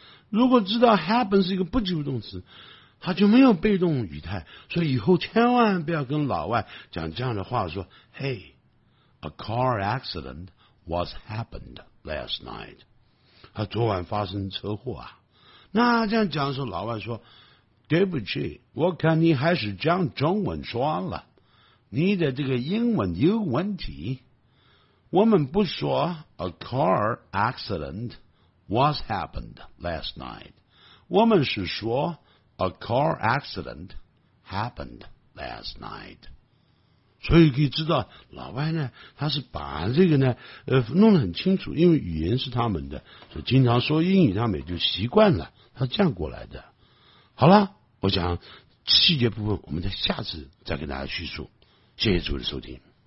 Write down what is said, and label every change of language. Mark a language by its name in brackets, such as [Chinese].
[Chinese] 如果知道 happen 是一个不及物动词，他就没有被动语态，所以以后千万不要跟老外讲这样的话，说 [English] Hey, a car accident was happened last night， [Chinese] 他昨晚发生车祸啊。那这样讲的时候，老外说对不起，我看你还是讲中文说了，你的这个英文有问题。我们不说 [English] a car accident was happened last night， [Chinese] 我们是说 [English] a car accident happened last night。 [Chinese] 所以可以知道老外呢，他是把这个呢弄得很清楚，因为语言是他们的，所以经常说英语他们也就习惯了，他是这样过来的。好了，我想细节部分我们在下次再跟大家叙述，谢谢诸位的收听。